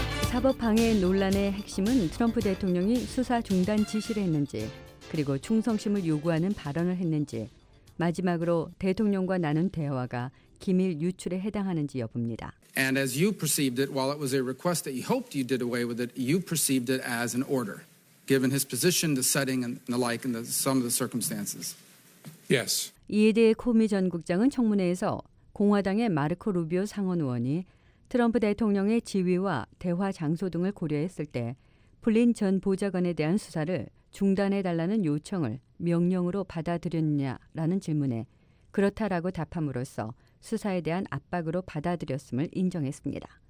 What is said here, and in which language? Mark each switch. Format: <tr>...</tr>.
<ko>사법 방해 논란의 핵심은 트럼프 대통령이 수사 중단 지시를 했는지 그리고 충성심을 요구하는 발언을 했는지 마지막으로 대통령과 나눈 대화가 기밀 유출에 해당하는지 여부입니다.</ko> <en>And as you perceived it, while it was a request that you hoped you did away with it, you perceived it as an order, given his position, the setting, and the like, and the some of the circumstances. Yes.</en> <ko>이에 대해 코미 전 국장은 청문회에서 공화당의 마르코 루비오 상원 의원이 트럼프 대통령의 지위와 대화 장소 등을 고려했을 때 플린 전 보좌관에 대한 수사를 중단해달라는 요청을 명령으로 받아들였냐라는 질문에 그렇다라고 답함으로써 수사에 대한 압박으로 받아들였음을 인정했습니다.</ko>